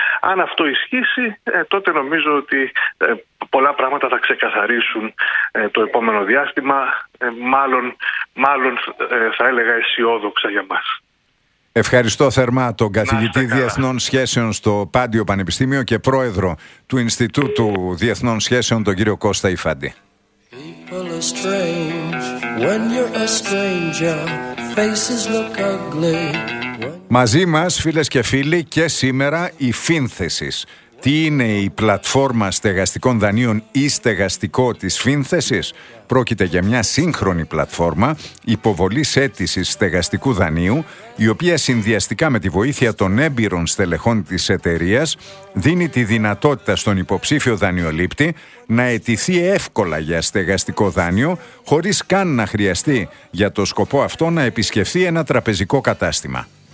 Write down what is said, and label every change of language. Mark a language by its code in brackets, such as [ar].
[el] Αν αυτό ισχύσει, τότε νομίζω ότι πολλά πράγματα θα ξεκαθαρίσουν το επόμενο διάστημα, μάλλον θα έλεγα αισιόδοξα για μας. Ευχαριστώ θερμά τον καθηγητή Διεθνών Σχέσεων στο Πάντιο Πανεπιστήμιο και πρόεδρο του Ινστιτούτου Διεθνών Σχέσεων, τον κύριο Κώστα Ιφάντη. [en] People are strange when you're a stranger. Faces look ugly. [el] Μαζί μας, φίλες και φίλοι, και σήμερα η Φύνθεσης. Τι είναι η πλατφόρμα στεγαστικών δανείων ή στεγαστικό της Φύνθεσης? Πρόκειται για μια σύγχρονη πλατφόρμα υποβολής αίτησης στεγαστικού δανείου, η οποία συνδυαστικά με τη βοήθεια των έμπειρων στελεχών της εταιρείας δίνει τη δυνατότητα στον υποψήφιο δανειολήπτη να αιτηθεί εύκολα για στεγαστικό δάνειο, χωρίς καν να χρειαστεί για το σκοπό αυτό να επισκεφθεί ένα τραπεζικό κατάστημα.